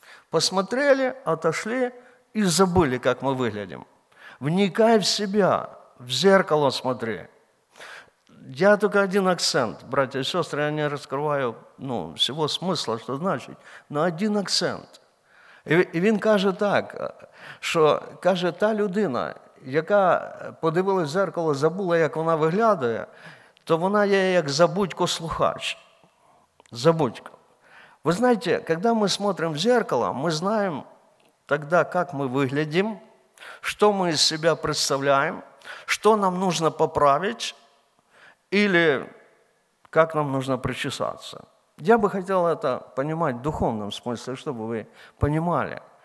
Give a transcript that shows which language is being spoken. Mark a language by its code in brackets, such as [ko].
[ru] Посмотрели, отошли и забыли, как мы выглядим. Вникай в себя, в зеркало смотри. Я только один акцент, братья и сестры, я не раскрываю всего смысла, что значит, но один акцент. [uk] И він каже так, що каже, та людина, яка подивилась в зеркало, забула, як вона виглядає, то вона є як забудько-слухач. Забудько. Ви знаєте, коли ми смотримо в зеркало, ми знаємо тоді, як ми виглядимо, [ru] что мы из себя представляем, что нам нужно поправить или как нам нужно причесаться. Я бы хотел это понимать в духовном смысле, чтобы вы понимали.